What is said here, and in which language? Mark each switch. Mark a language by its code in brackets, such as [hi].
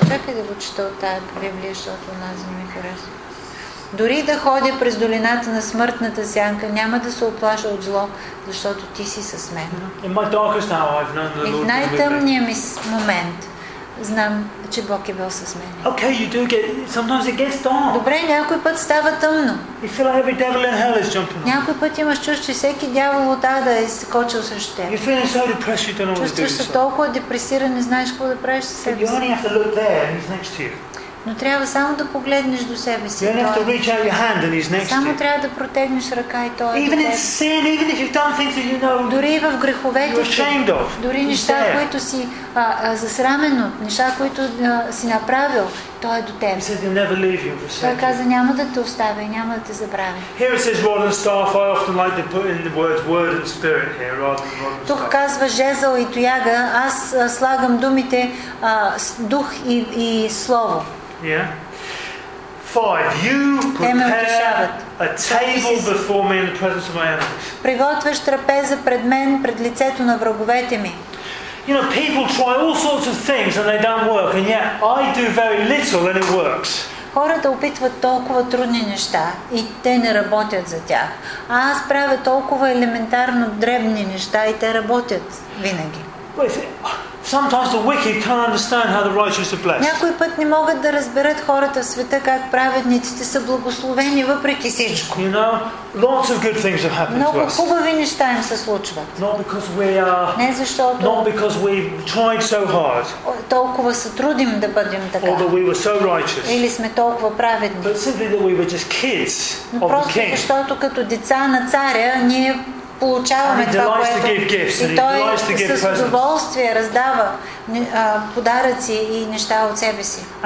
[bg] Чакай да го чета от тая Библия, защото у нас ми харесва. Дори да ходя през долината на смъртната сянка, няма да се оплаша от зло, защото ти си с мен. И в най-тъмния ми момент знам, че Бог е бил с мен. [en] Okay, you do get, sometimes it gets dark. [bg] Добре, някой път става тъмно. [en] You feel like every devil in hell is jumping on. [bg] Някой път имаш чувство, че всеки дявол от ада е скочил срещу теб. [en] You feel so depressed, you don't know what to do. [bg] Чувстваш се толкова депресиран, не знаеш какво да правиш със себе си. [en] You have to look there and he's next to you. [bg] Но трябва само да погледнеш до себе си. [en] You have to reach out your hand and he's next to you. [bg] Само трябва да протегнеш ръка и той е. [en] Even in sin, even if you've done things that you know. [bg] Дори в греховете, дори неща, които си засрамен от, неща, които си направил, той е до теб. [en] He said he'll never leave you. [bg] Той каза, няма да те оставя, няма да те забравя. [en] Here it says rod and staff. I often like to put in the words word and spirit here, rather than rod and staff. [bg] Тук казва жезъл и тояга, аз слагам думите дух и слово. [en] Yeah. Five. You prepare a table before me in the presence of my enemies. [bg] Приготвяш трапеза пред мен, пред лицето на враговете ми. [en] You know, people try all sorts of things and they don't work, and yet I do very little and it works. [bg] Хората опитват толкова трудни неща и те не работят за тях. А аз правя толкова елементарно дребни неща и те работят винаги. [en] Sometimes the wicked can't understand how the righteous are blessed. [bg] Някой път не могат да разберат хората в света как праведниците са благословени въпреки всичко. [en] You know, lots of good things have happened to us. [bg] Много хубави неща им се случват. [en] Not because we are. [bg] Не защото. [en] Not because we tried so hard. [bg] Толкова се трудим да бъдем така. [en] Or that we were so righteous. [bg] Или сме толкова праведни. [en] But simply that we were just kids of the king. [bg] Просто защото като деца на царя ние получаваме това, което и той с удоволствие раздава подаръци и неща от себе си.